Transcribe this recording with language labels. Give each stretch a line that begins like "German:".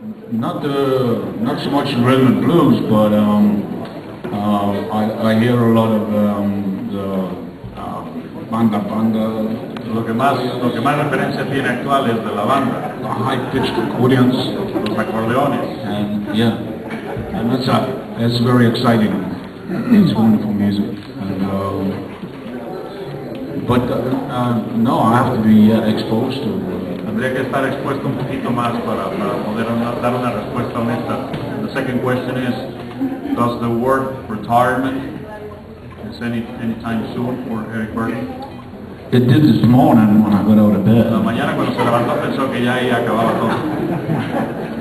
English: Not so much rhythm and blues, but I hear a lot of banda.
Spanish: Lo que más referencia tiene actual es de la banda.
English: High pitched accordions,
Spanish: los acordeones.
English: And yeah, and that's very exciting. It's wonderful music. And, I have to be exposed to.
Spanish: Tendría que estar expuesto un poquito más para poder dar una respuesta honesta.
English: The second question is, does the word retirement is anytime soon for Eric Burdon? It did this morning when I got out of bed.
Spanish: La mañana cuando se levantó pensó que ya ahí acababa todo.